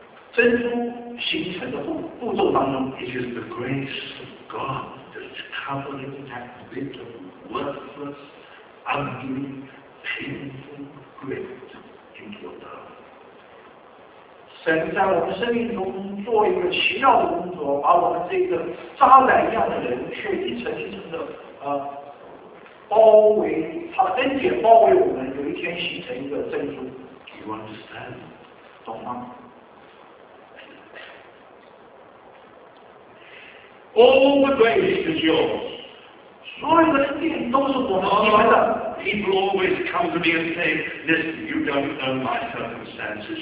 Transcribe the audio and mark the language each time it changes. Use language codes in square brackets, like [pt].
[en] produced. [zh] 今天晚上我对我们在座那些有极大痛苦的人、极大忧伤的人，我要说你正在经历珍珠形成的步骤当中。It [en] is the grace of God that's covering that bit of worthless. Ugly, painful, grit into your darkness. [zh] 神在我们生命中做一个奇妙的工作，把我们这个渣男一样的人，却一层一层的包围，他的恩典包围我们，有一天形成一个珍珠。 [en] Do you understand? [zh] 懂吗？ [en] All the grace is yours. [zh] 所有的恩典都是我们的。 [en] People always come to me and say, listen, you don't know my circumstances.